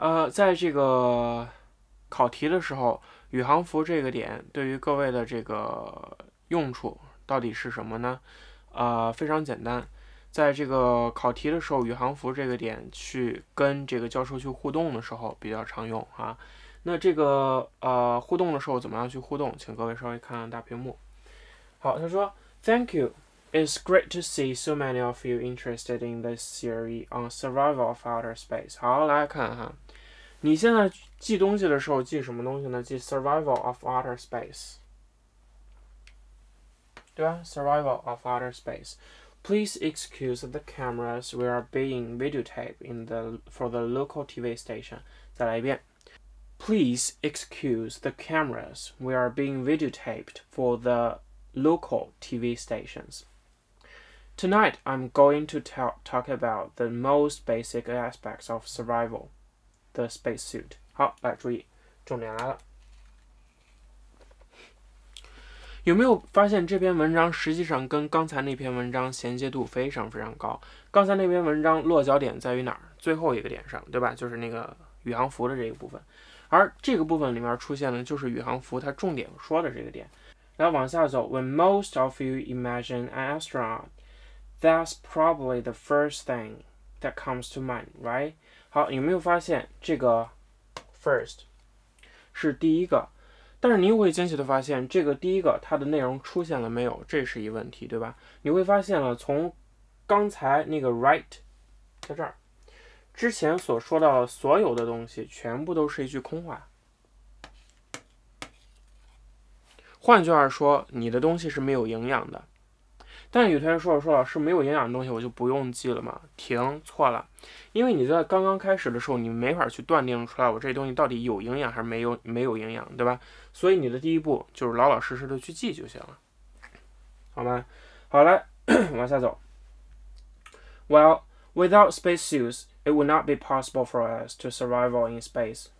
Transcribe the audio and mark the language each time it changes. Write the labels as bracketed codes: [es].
[zh] 在这个考题的时候，宇航服这个点对于各位的这个用处到底是什么呢？非常简单，在这个考题的时候，宇航服这个点去跟这个教授去互动的时候比较常用啊。那这个互动的时候怎么样去互动？请各位稍微看看大屏幕。好，他说： [en] “Thank you. It's great to see so many of you interested in this theory on survival of outer space。” [zh] 好，来看哈，你现在记东西的时候记什么东西呢？ [en] 记 survival of outer space，对吧？survival of outer space。 Please excuse the cameras. We are being videotaped for the local TV station。 [zh] 再来一遍。 [en] Please excuse the cameras. We are being videotaped for the local TV stations. Tonight, I'm going to talk about the most basic aspects of survival, the spacesuit. [zh] 好，来注意，重点来了。有没有发现这篇文章实际上跟刚才那篇文章衔接度非常非常高？刚才那篇文章落脚点在于哪儿？最后一个点上，对吧？就是那个宇航服的这个部分。而这个部分里面出现的就是宇航服它重点说的这个点。然后往下走， [en] When most of you imagine an astronaut, that's probably the first thing that comes to mind, right? [zh] 好，有没有发现这个 first 是第一个？但是你又会惊喜地发现，这个第一个它的内容出现了没有？这是一问题，对吧？你会发现了，从刚才那个 right 在这儿之前所说到的所有的东西，全部都是一句空话。换句话说，你的东西是没有营养的。但有同学说老师没有营养的东西，我就不用记了嘛？停，错了，因为你在刚刚开始的时候，你没法去断定出来我这东西到底有营养还是没有营养，对吧？所以你的第一步就是老老实实的去记就行了，好吗？好了，往下走。 [en] Well, without spacesuits, it would not be possible for us to survive in space。